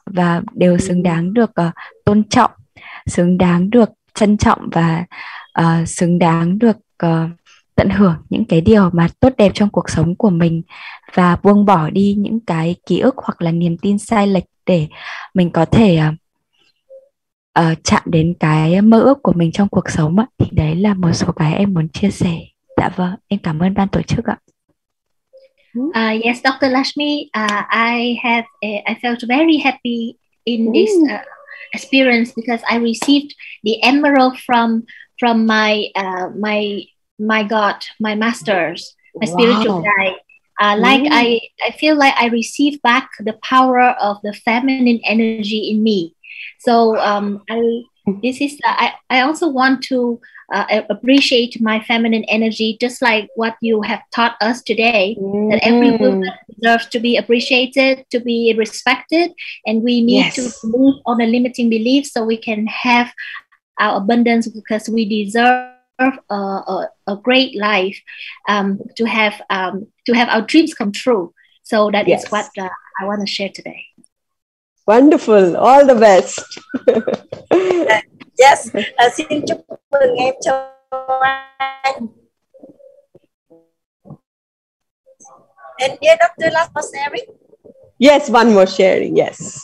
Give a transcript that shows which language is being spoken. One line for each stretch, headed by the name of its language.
Vietnamese: Và đều xứng đáng được tôn trọng, xứng đáng được trân trọng và xứng đáng được tận hưởng những cái điều mà tốt đẹp trong cuộc sống của mình, và buông bỏ đi những cái ký ức hoặc là niềm tin sai lệch để mình có thể chạm đến cái mơ ước của mình trong cuộc sống ạ. Thì đấy là một số cái em muốn chia sẻ. Dạ vâng, em cảm ơn ban tổ chức ạ.
English: Yes, Dr. Lakshmi, I felt very happy in this experience because I received the emerald from my my God, my masters, my spiritual guide. Like I feel like I received back the power of the feminine energy in me. So I also want to appreciate my feminine energy, just like what you have taught us today, that every woman deserves to be appreciated, to be respected, and we need to move on the limiting beliefs so we can have our abundance, because we deserve a great life, to have our dreams come true. So that is what I want to share today. Wonderful, all the best.
Vietnamese: Yes, xin chúc mừng em Châu Anh.
English: And dear Dr. Last for sharing. Yes, one more sharing, yes.